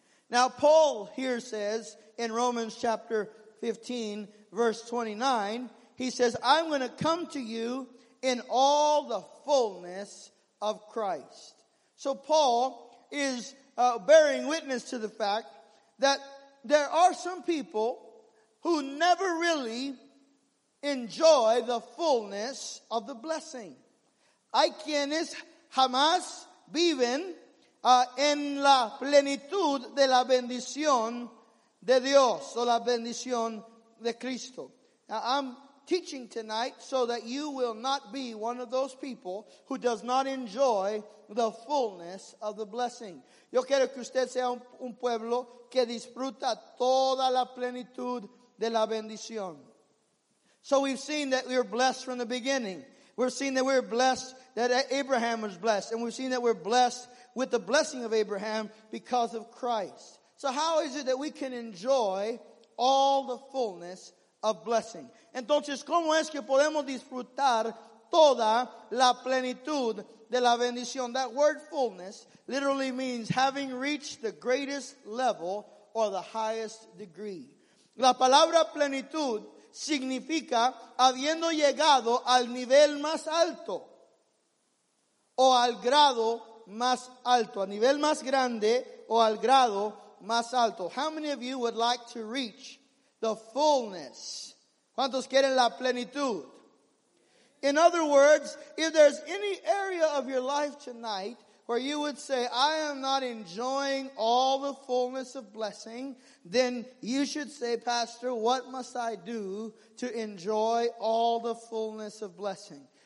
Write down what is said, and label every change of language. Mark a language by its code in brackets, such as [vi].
[en] Now Paul here says in Romans chapter 15 verse 29, he says, I'm going to come to you in all the fullness of Christ. So Paul is bearing witness to the fact that there are some people who never really enjoy the fullness of the blessing. [es] Hay quienes jamás viven en la plenitud de la bendición de Dios o la bendición de Cristo. [en] Now I'm teaching tonight so that you will not be one of those people who does not enjoy the fullness of the blessing. [es] Yo quiero que usted sea un pueblo que disfruta toda la plenitud de la bendición. [en] So we've seen that we're blessed from the beginning. We've seen that we're blessed, that Abraham was blessed. And we've seen that we're blessed with the blessing of Abraham because of Christ. So how is it that we can enjoy all the fullness of blessing? [es] Entonces, ¿cómo es que podemos disfrutar toda la plenitud de la bendición? [en] That word fullness literally means having reached the greatest level or the highest degree. [es] La palabra plenitud significa habiendo llegado al nivel más alto o al grado más alto, a nivel más grande o al grado más alto. [en] How many of you would like to reach the fullness? [es] ¿Cuántos quieren la plenitud? [en] In other words, if there's any area of your life tonight where you would say, I am not enjoying all the fullness of blessing, then you should say, Pastor, what must I do to enjoy all the fullness of blessing?